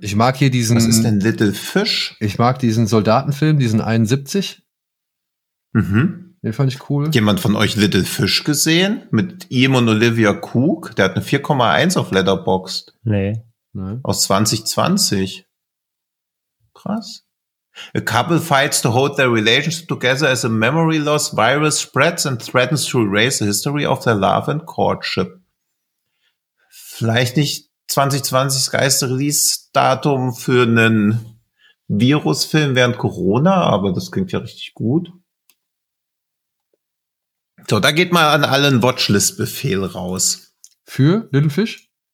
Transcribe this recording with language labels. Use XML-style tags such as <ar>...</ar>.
<de>Ich mag hier diesen. Was ist denn Little Fish? Ich mag diesen Soldatenfilm, diesen 71. Mhm. Den fand ich cool. Hat jemand von euch Little Fish gesehen? Mit ihm und Olivia Cook? Der hat eine 4,1 auf Letterboxd. Nee. Aus 2020. Krass.</de> <en>A couple fights to hold their relationship together as a memory loss virus spreads and threatens to erase the history of their love and courtship.</en> <de>Vielleicht nicht 2020 Geister-Release-Datum für einen Virusfilm während Corona, aber das klingt ja richtig gut. So, da geht mal an allen Watchlist-Befehl raus. Für Little Fish?</de>